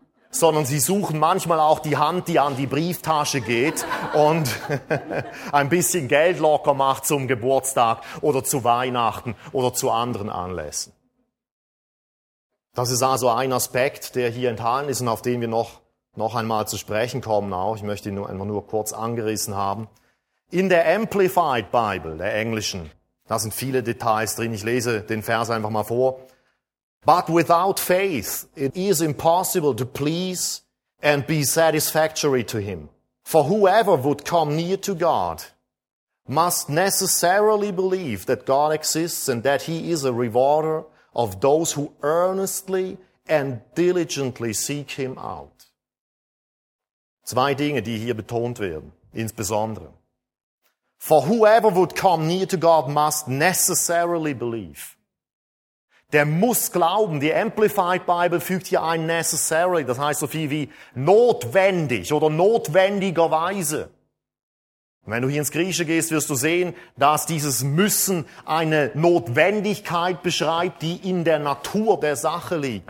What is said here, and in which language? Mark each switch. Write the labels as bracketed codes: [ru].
[de] Sondern sie suchen manchmal auch die Hand, die an die Brieftasche geht und ein bisschen Geld locker macht zum Geburtstag oder zu Weihnachten oder zu anderen Anlässen. Das ist also ein Aspekt, der hier enthalten ist und auf den wir noch einmal zu sprechen kommen. Auch ich möchte ihn nur einfach nur kurz angerissen haben. In der Amplified Bible, der englischen, da sind viele Details drin. Ich lese den Vers einfach mal vor. [en] But without faith, it is impossible to please and be satisfactory to him. For whoever would come near to God must necessarily believe that God exists and that he is a rewarder of those who earnestly and diligently seek him out. [de] Zwei Dinge, die hier betont werden, insbesondere. [en] For whoever would come near to God must necessarily believe. [de] Der muss glauben. Die Amplified Bible fügt hier ein necessarily, das heißt so viel wie notwendig oder notwendigerweise. Wenn du hier ins Griechische gehst, wirst du sehen, dass dieses Müssen eine Notwendigkeit beschreibt, die in der Natur der Sache liegt.